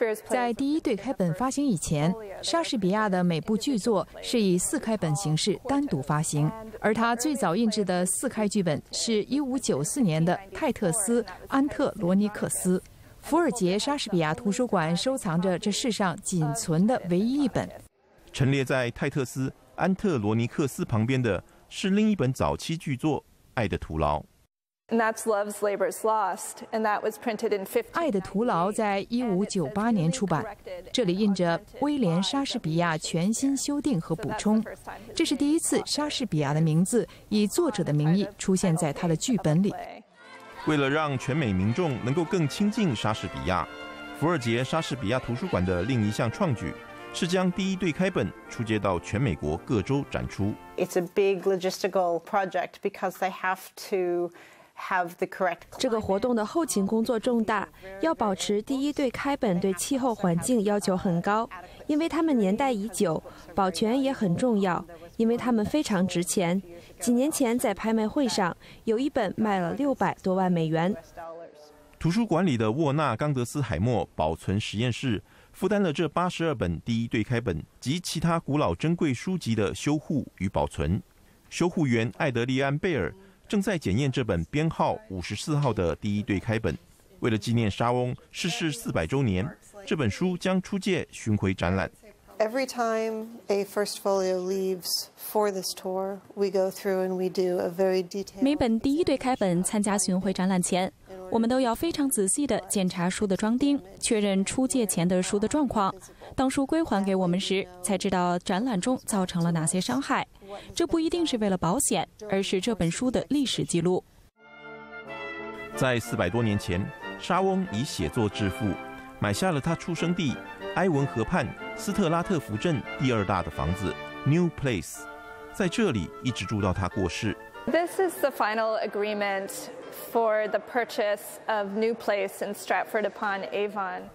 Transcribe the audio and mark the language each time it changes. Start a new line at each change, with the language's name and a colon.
Chinese: 在第一对开本发行以前，莎士比亚的每部剧作是以4开本形式单独发行，而他最早印制的4开剧本是1594年的泰特斯·安特罗尼克斯。伏尔杰莎士比亚图书馆收藏着这世上仅存的唯一一本。陈列在泰特斯·安特罗尼克斯旁边的是另一本早期剧作《爱的徒劳》。
English: And that's Love's Labor's Lost, and that was printed in 15.
Chinese: 爱的徒劳在1598年出版，这里印着威廉·莎士比亚全新修订和补充，这是第一次莎士比亚的名字以作者的名义出现在他的剧本里。为了让全美民众能够更亲近莎士比亚，伏尔杰莎士比亚图书馆的另一项创举是将第一对开本出借到全美国各州展出。
English: It's a big logistical project because they have to. Have the correct.
Chinese: 这个活动的后勤工作重大，要保持第一对开本对气候环境要求很高，因为它们年代已久，保全也很重要，因为它们非常值钱。几年前在拍卖会上，有一本卖了600多万美元。图书馆里的沃纳·冈德斯海默保存实验室负担了这82本第一对开本及其他古老珍贵书籍的修护与保存。修护员艾德利安·贝尔。正在检验这本编号54号的第一对开本，为了纪念莎翁逝世400周年，这本书将出借巡回展览。
English: Every time a first folio leaves for this tour, we go through and we do a very detailed.
Chinese: 每本第一对开本参加巡回展览前，我们都要非常仔细地检查书的装订，确认出借前的书的状况。当书归还给我们时，才知道展览中造成了哪些伤害。这不一定是为了保险，而是这本书的历史记录。在400多年前，沙翁以写作致富，买下了他出生地埃文河畔斯特拉特福镇第二大的房子 New Place， 在这里一直住到他过世。
English: This is the final agreement for the purchase of New Place in Stratford upon Avon。